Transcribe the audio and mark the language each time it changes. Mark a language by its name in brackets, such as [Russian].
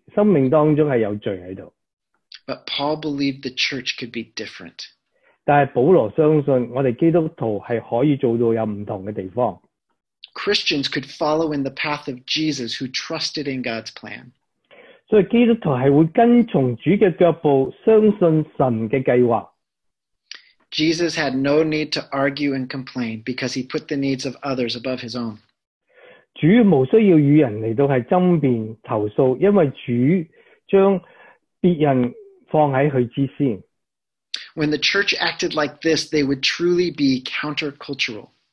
[Chinese] 狗有这样做的时候，就是显出我们生命当中是有罪在这里。 [English] But Paul believed the church could be different. [Chinese] 但是保罗相信我们基督徒是可以做到有不同的地方。 [English] Christians could follow in the path of Jesus who trusted in God's plan. [Chinese] 所以基督徒是会跟从主的脚步，相信神的计划。 [English] Jesus had no need to argue and complain because he put the needs of others above his own. [Chinese] 主无需要与人来争辩投诉，因为主将别人放在他之先。 [English] When the church acted like this, they would truly be countercultural.